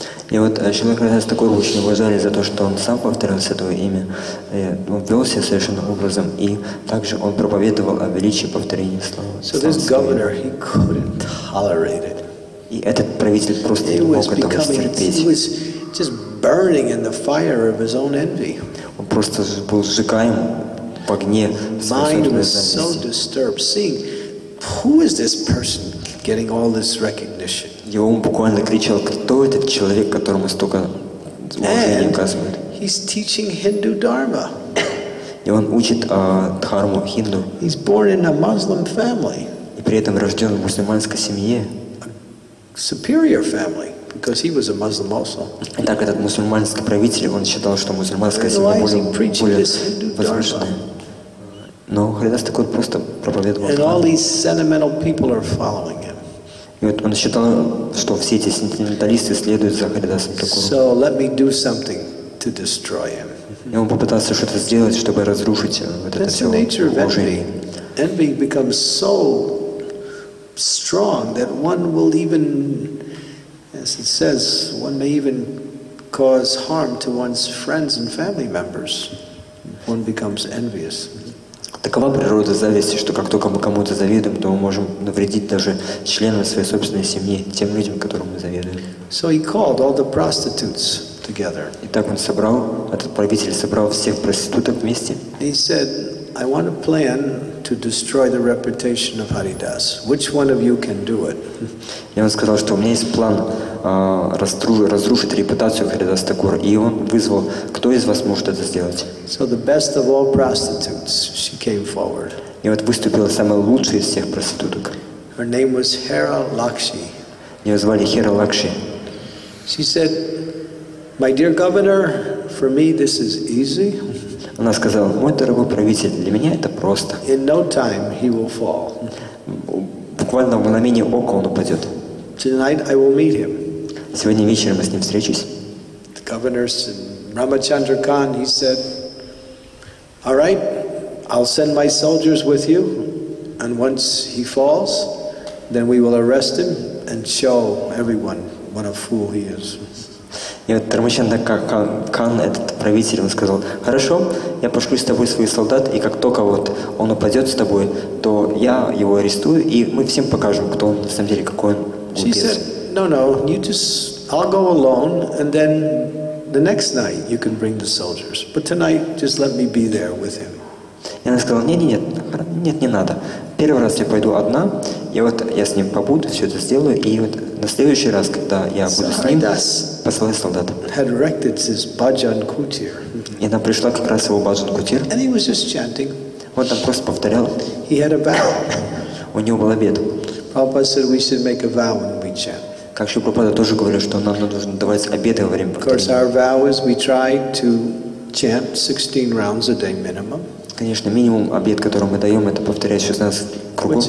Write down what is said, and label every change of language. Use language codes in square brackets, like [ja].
[ru] И вот Шрила Харидас Тхакура очень уважали за то, что он сам повторял Святое Имя, он вел себя совершенно образом, и также он проповедовал о величии повторения слова. [en] So this governor, he couldn't tolerate it. [ru] И этот правитель просто не мог этого стерпеть. [en] Just burning in the fire of his own envy. [ru] Он просто был сжигаем в огне. [en] Mind was so disturbed, seeing who is this person getting all this recognition. [ru] И он буквально кричал, кто этот человек, которому столько уважения оказывают. [en] He's teaching Hindu dharma. [ru] И он учит дхарму хинду. [en] He's born in a Muslim family. [ru] И при этом рожден в мусульманской семье. [en] Superior family. Because he was a Muslim also. [ru] И так этот мусульманский правитель, он считал, что мусульманская семья более возвышенная. Но Харидас Тхакура просто проповедовал. [en] And all these sentimental people are following him. [ru] И вот он считал, что все эти сентименталисты следуют за Харидасом Тхакуром. [en] So let me do something to destroy him. [ru] И он попытался что-то сделать, чтобы разрушить вот это все уважение. [en] Envy becomes so strong that one will even, as it says, one may even cause harm to one's friends and family members. One becomes envious. [ru] Такова природа зависти, что как только мы кому-то завидуем, то мы можем навредить даже членам своей собственной семьи, тем людям, которым мы завидуем. [en] So he called all the prostitutes together. [ru] И так он собрал, этот правитель собрал всех проституток вместе. [en] He said, I want to plan to destroy the reputation of Haridas. Which one of you can do it? [ru] И он сказал, что у меня есть план разрушить репутацию Харидаса Тхакура. И он вызвал, кто из вас может это сделать. [en] So the best of all prostitutes, she came forward. [ru] И вот выступила самая лучшая из всех проституток. [en] Her name was Hera Lakshi. [ru] Ее звали Хера Лакши. [en] She said, my dear governor, for me this is easy. [ru] Она сказала: «Мой дорогой правитель, для меня это просто». [en] In no time he will fall. [ru] Буквально в мгновение ока он упадет. [en] Tonight I will meet him. [ru] Сегодня вечером я с ним встречусь. [en] The governors and Ramachandra Khan, he said, all right, I'll send my soldiers with you, and once he falls, then we will arrest him and show everyone what a fool he is. [ru] И вот Рамачандра Кан, этот правитель, он сказал: «Хорошо, я пошлю с тобой своих солдат, и как только вот он упадет с тобой, то я его арестую, и мы всем покажем, кто он на самом деле, какой он глупец». [en] She said, no, no, you just, I'll go alone, and then the next night you can bring the soldiers. But tonight, just let me be there with him. [ru] И она сказала: «Нет, не надо. Первый раз я пойду одна, и вот я с ним побуду, все это сделаю, и вот на следующий раз, когда я буду с ним, послал солдат». И она пришла как раз его баджан кутир. [en] And he was just chanting. [ru] Он там просто повторял. [en] He had a vow. [ru] У него был обет. [en] Prabhupada said we should make a vow when we chant. [ru] Как Шрила Прабхупада тоже говорил, что нам нужно давать обеты во время повторения. [en] Of course, our vow is we try to chant 16 rounds a day minimum. [ru] Конечно, минимум обет, который мы даем, это повторять 16 кругов